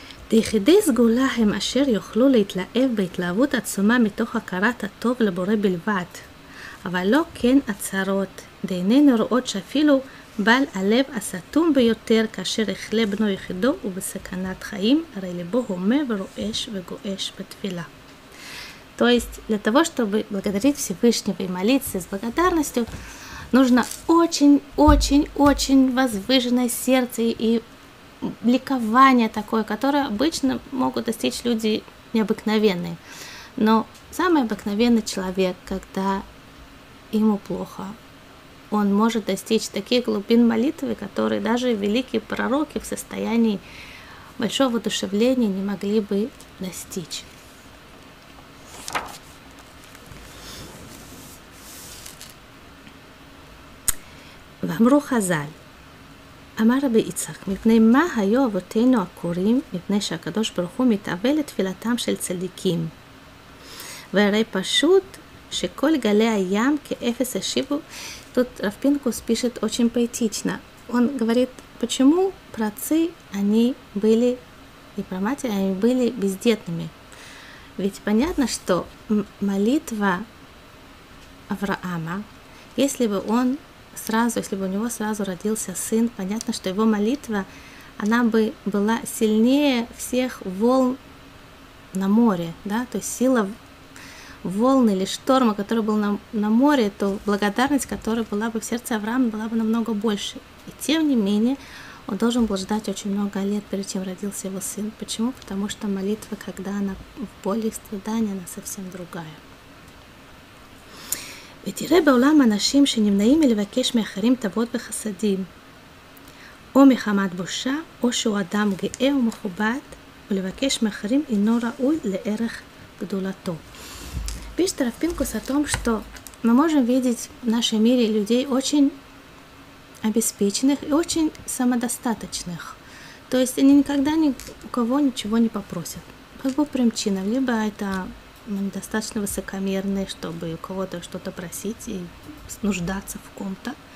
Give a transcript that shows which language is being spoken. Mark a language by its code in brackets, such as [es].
[he] דיחידי סגולה הם אשר יוכלו להתלהב בהתלהבות עצומה מתוך הכרת הטוב לבורא בלבד. אבל לא כן הצהרות, דעינינו רואות שאפילו בעל הלב הסתום ביותר כאשר החלה בנו יחידו ובסכנת חיים, הרי לבו הומה ורועש וגועש בתפילה. [ru] То есть для того, чтобы благодарить Всевышнего и молиться с благодарностью, нужно очень-очень-очень возвышенное сердце и ликование такое, которое обычно могут достичь люди необыкновенные. Но самый обыкновенный человек, когда ему плохо, он может достичь таких глубин молитвы, которые даже великие пророки в состоянии большого воодушевления не могли бы достичь. [he] Вамру хазаль. אמר רבי יצחק, מפני מה היו אבותינו הקוראים, מפני שהקדוש ברוך הוא מתאבה לתפילתם של צדיקים. והרי פשוט שכל גלי הים כאפס השיבו. [ru] Тут רב פינקוס пишет очень поэтично. Он говорит, почему працы они были, и праматери они были бездетными. Ведь понятно, что молитва Авраама, если бы он сразу, если бы у него сразу родился сын, понятно, что его молитва, она бы была сильнее всех волн на море, да, то есть сила волны или шторма, который был на море, то благодарность, которая была бы в сердце Авраама, была бы намного больше. И тем не менее, он должен был ждать очень много лет, перед чем родился его сын. Почему? Потому что молитва, когда она в боли и страдании, она совсем другая. [he] ותראה בעולם אנשים שנמנעים מלבקש מאחרים טובות וחסדים, או מחמת בושה, או שהוא אדם גאה ומכובד, ולבקש מאחרים אינו ראוי לערך גדולתו. [ru] Видишь, Тора, в Пинкусе о том, что мы можем видеть в нашем мире людей очень обеспеченных и очень самодостаточных. То есть они никогда ни у кого ничего не попросят. По двум причинам. Либо это достаточно высокомерные, чтобы у кого-то что-то просить и нуждаться в ком-то.